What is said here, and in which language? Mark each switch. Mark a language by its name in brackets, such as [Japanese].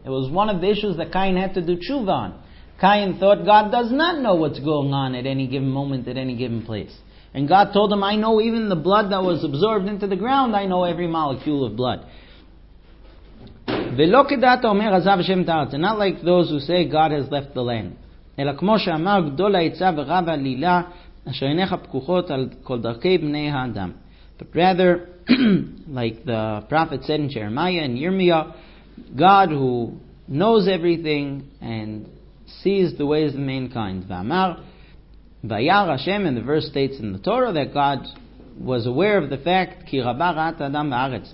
[English] It was one of the issues that Cain had to do tshuva on. Cain thought God does not know what's going on at any given moment, at any given place. And God told him, I know even the blood that was absorbed into the ground, I know every molecule of blood. [Hebrew] Velo Kedata Omer Azav Hashem Ta'aretz. [English] And not like those who say God has left the land. [Hebrew] אלא כמו שאמר גדול היצא ורב הלילה אשר עיניך פקוחות על כל דרכי בני האדם. [English] But rather, like the prophet said in Jeremiah and Yirmiah, God who knows everything and sees the ways of mankind. [Hebrew] ואמר, וירא השם, [English] and the verse states in the Torah that God was aware of the fact [Hebrew] כי רבה ראת האדם בארץ.